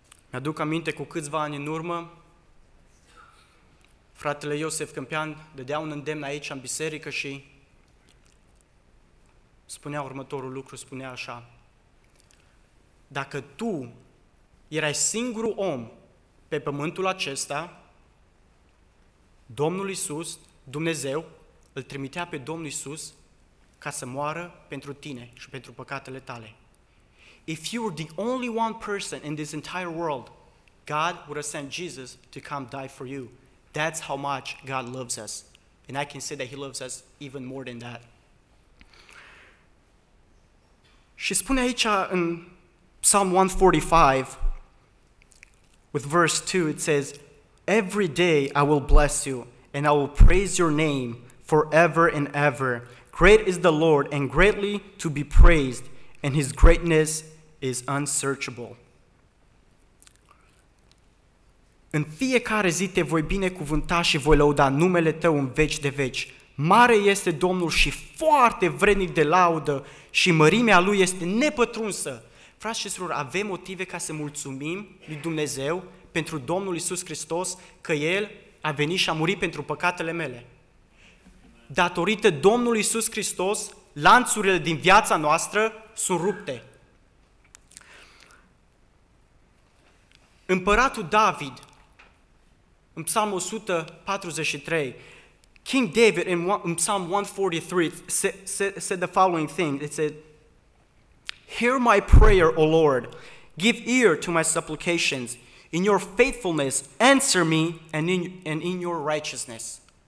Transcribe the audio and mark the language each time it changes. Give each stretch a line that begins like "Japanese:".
Romanian: Mi-aduc aminte cu câțiva ani în urmă, fratele Iosef Câmpian dădea un îndemn aici în biserică și spunea următorul lucru, spunea așa, dacă tu erai singurul om pe pământul acesta, Domnul Iisus, Dumnezeu, îl trimitea pe Domnul Iisus ca să moară pentru tine și pentru păcatele tale.
English: If you were the only one person in this entire world, God would have sent Jesus to come die for you. That's how much God loves us. And I can say that He loves us even more than that.
Romanian: Și spune aici în Psalm 145,
English: with verse 2, it says, every day I will bless you and I will praise your name forever and ever. Great is the Lord and greatly to be praised, and his greatness is unsearchable.
Romanian: În fiecare zi te voi binecuvânta și voi lăuda numele tău în veci de veci. Mare este Domnul și foarte vrednic de laudă și mărimea lui este nepătrunsă. Frați și surori, avem motive ca să mulțumim lui Dumnezeu pentru Domnul Iisus Hristos, că El a venit și a murit pentru păcatele mele. Datorită Domnului Iisus Hristos, lanțurile din viața noastră sunt rupte. Împăratul David, în Psalmul 143,
English: King David in Psalm 143 said the following thing. It said, "Hear my prayer, O Lord. Give ear to my supplications. In your faithfulness, answer me, and in your righteousness."